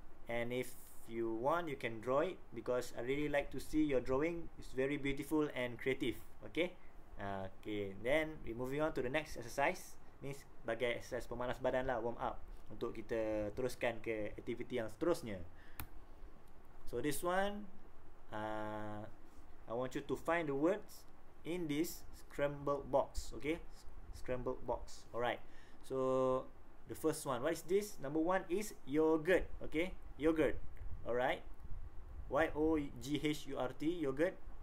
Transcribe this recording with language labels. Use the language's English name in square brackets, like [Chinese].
[English] And if you want, you can draw it, because I really like to see your drawing. It's very beautiful and creative. Okay, okay. Then we moving on to the next exercise. [Malay] Ni sebagai exercise pemanas badan lah, warm up, untuk kita teruskan ke aktiviti yang seterusnya. [English] So this one, I want you to find the words in this scrambled box. Okay, scrambled box. Alright, so the first one, what is this? Number one is yogurt. Okay, yogurt. Alright, Y-O-G-H-U-R-T, yogurt.